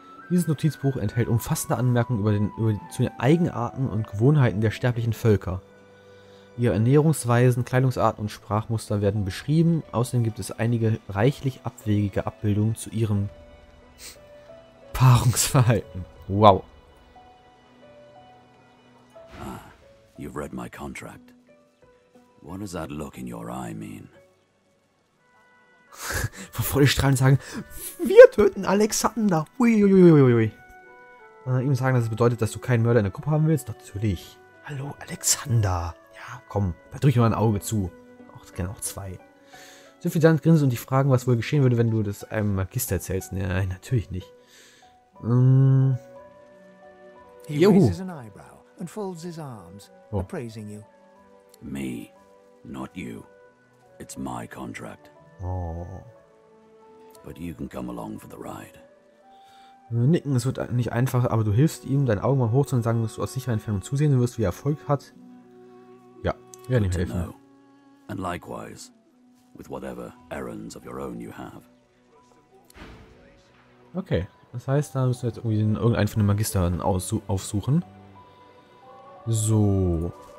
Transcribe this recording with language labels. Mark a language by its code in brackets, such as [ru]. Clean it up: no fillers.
[de] Dieses Notizbuch enthält umfassende Anmerkungen zu den Eigenarten und Gewohnheiten der sterblichen Völker. Ihre Ernährungsweisen, Kleidungsarten und Sprachmuster werden beschrieben. Außerdem gibt es einige reichlich abwegige Abbildungen zu ihrem Paarungsverhalten. Wow. [en] Ah, you've read my contract. What does that look in your eye mean? [de] Vor Freude strahlen und sagen, wir töten Alexander. Uiuiuiui. Ihm sagen, dass es bedeutet, dass du keinen Mörder in der Gruppe haben willst. Natürlich. Hallo, Alexander. Ja, komm, da drück ich mal ein Auge zu. Auch gerne auch zwei. Suffizant grinsen und dich fragen, was wohl geschehen würde, wenn du das einem Magister erzählst. Nein, natürlich nicht. Juhu. [en] He raises an eyebrow and folds his arms, appraising you. Me, not you. It's my contract. Oh. But you can come along for the ride. [de] Nicken, es wird nicht einfach, aber du hilfst ihm, dein Augenmal hochzuhalten und sagen, dass du aus sicherer Entfernung zusehen wirst, wie er Erfolg hat. Ja, wir werden ihm helfen. [en] And likewise, with whatever errands of your own you have. [de] Okay, das heißt, da müssen wir jetzt irgendwie irgendeinen von den Magistern aufsuchen. So.